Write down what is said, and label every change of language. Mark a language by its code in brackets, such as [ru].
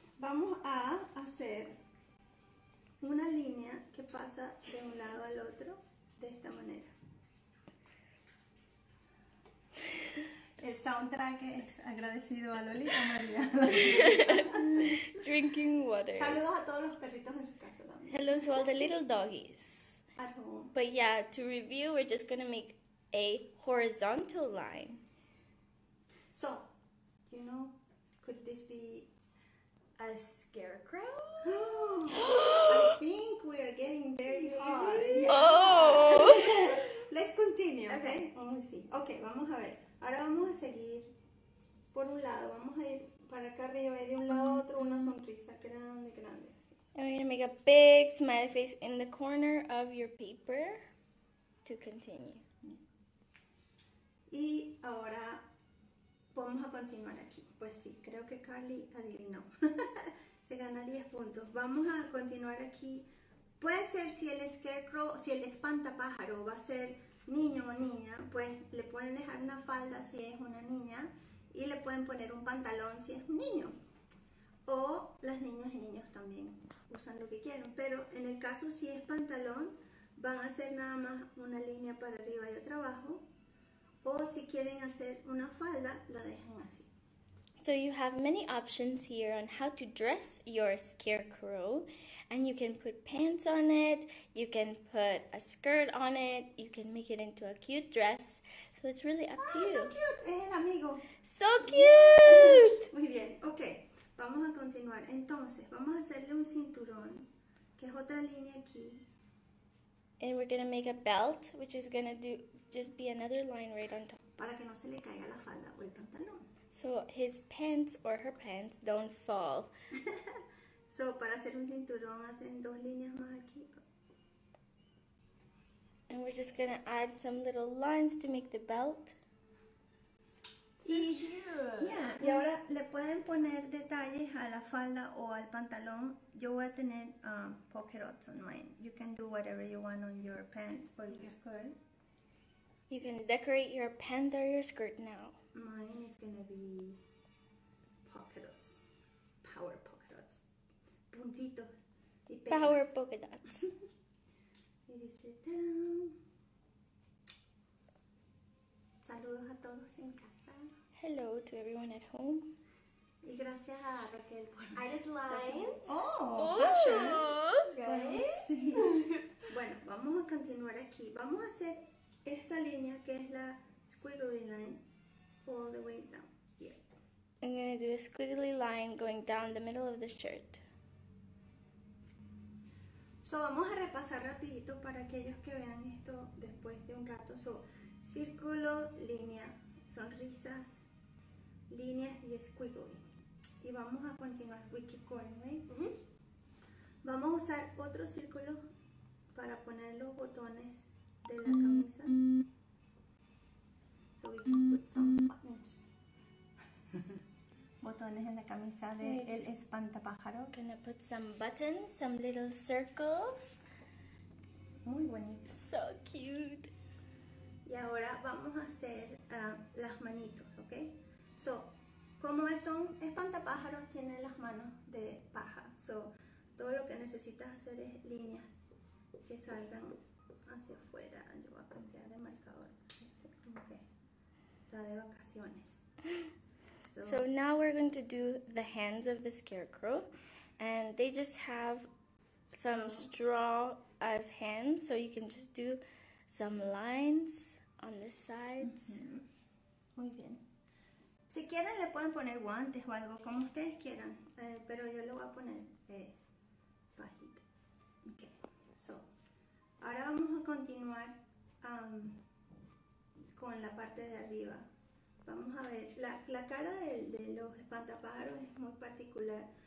[es] Vamos a hacer una línea que pasa de un lado al otro. De esta manera. El soundtrack es agradecido a Lolita María. [en] Drinking water. [es] Saludos a todos los perritos en su casa también. [en] Hello to all the little doggies. Arrón. But yeah, to review, we're just going to make a horizontal line. So, do you know, could this be a scarecrow? I think we are getting very hot. Yeah. Oh! Let's continue, okay? [es] Vamos a seguir. Okay, vamos a ver. Ahora vamos a seguir por un lado. Vamos a ir para acá arriba y de un lado a otro una sonrisa grande, grande. [en] And we're gonna make a big smiley face in the corner of your paper to continue. [es] Y ahora vamos a continuar aquí. Pues sí, creo que Carly adivinó. Se gana 10 puntos. Vamos a continuar aquí. Puede ser si el scarecrow, si el espantapájaro va a ser niño o niña, pues le pueden dejar una falda si es una niña y le pueden poner un pantalón si es un niño. O las niñas y niños también usan lo que quieran. Pero en el caso si es pantalón, van a hacer nada más una línea para arriba y otra abajo. O si quieren hacer una falda, la dejan así. [en] So you have many options here on how to dress your scarecrow. And you can put pants on it, you can put a skirt on it, you can make it into a cute dress. So it's really up to you. So cute! [es] Es el amigo. [en] So cute! [es] Muy bien, ok. Vamos a continuar. Entonces, vamos a hacerle un cinturón, que es otra línea aquí. [en] And we're going to make a belt, which is going to do just be another line right on top. [es] Para que no se le caiga la falda o el pantalón. [en] So his pants or her pants don't fall. [es] So, para hacer un cinturón, hacen dos líneas más aquí. [en] And we're just going to add some little lines to make the belt. So cute. Yeah. [es] Y ahora le pueden poner detalles a la falda o al pantalón. Yo voy a tener [en] polka dots on mine. You can do whatever you want on your pants or your skirt. You can decorate your pants or your skirt now. Mine is going to be polka dots. Power polka dots. [es] Puntitos. Y [en] power polka dots. Maybe sit down. [es] Saludos a todos en casa. [en] Hello to everyone at home. [es] Y gracias a Raquel por... [en] I did lines. Oh, oh fashion. Right? [es] Bueno, sí. Bueno, vamos a continuar aquí. Vamos a hacer esta línea que es la [en] squiggly line all the way down here. I'm going to do a squiggly line going down the middle of the shirt. [es] So, vamos a repasar rapidito para aquellos que vean esto después de un rato. So, círculo, línea, sonrisas, líneas y squiggly. Y vamos a continuar wiki coin, ¿right? Vamos a usar otro círculo para poner los botones de la camisa. [en] So we can put some buttons. [es] Botones en la camisa de el espantapájaro. [en] Gonna put some buttons, some little circles. [es] Muy bonito. [en] So cute. [es] Y ahora vamos a hacer las manitos, ¿ok? So, como son espantapájaros, tienen las manos de paja. So, todo lo que necesitas hacer es líneas que salgan hacia afuera. Yo voy a cambiar de marcador. Este, como que está de vacaciones. [en] So, now we're going to do the hands of the scarecrow. And they just have some straw as hands. So, you can just do some lines on the sides. [es] Muy bien. Si quieren le pueden poner guantes o algo, como ustedes quieran, pero yo lo voy a poner bajito. Okay. So, ahora vamos a continuar con la parte de arriba. Vamos a ver, la cara de los espantapájaros es muy particular.